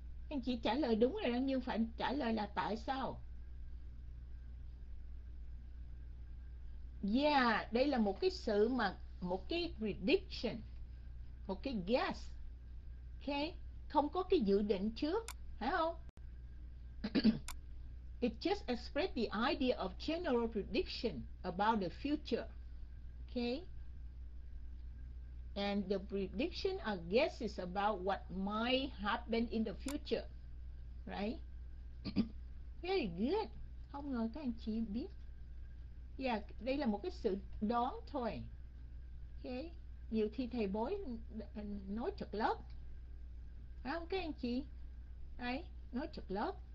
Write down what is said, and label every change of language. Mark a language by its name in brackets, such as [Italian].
[Vietnamese] Anh chị trả lời đúng rồi đó, nhưng phải trả lời là tại sao? Yeah, đây là một cái sự mà một cái prediction, một cái guess, okay, không có cái dự định trước, phải không? [English] It just express the idea of general prediction about the future, okay? And the prediction are guesses about what might happen in the future, right? Very good. [Vietnamese] Không ngờ các anh chị biết. Yeah, đây là một cái sự đoán thôi. Okay. Nhiều khi thầy bói nói trật lớp. Phải không các anh chị? Đấy, nói trật lớp.